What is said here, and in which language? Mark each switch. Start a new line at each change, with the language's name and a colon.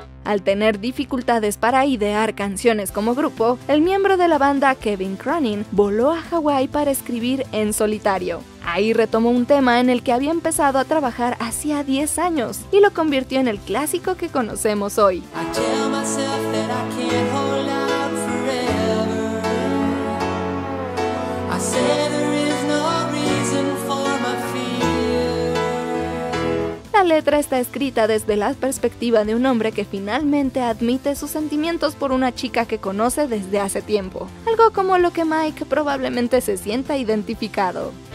Spanish: Al tener dificultades para idear canciones como grupo, el miembro de la banda Kevin Cronin voló a Hawái para escribir en solitario. Ahí retomó un tema en el que había empezado a trabajar hacía 10 años y lo convirtió en el clásico que conocemos hoy.
English: I tell myself that I can't hold out forever. I say there is no reason.
Spanish: letra está escrita desde la perspectiva de un hombre que finalmente admite sus sentimientos por una chica que conoce desde hace tiempo. Algo como lo que Mike probablemente se sienta identificado.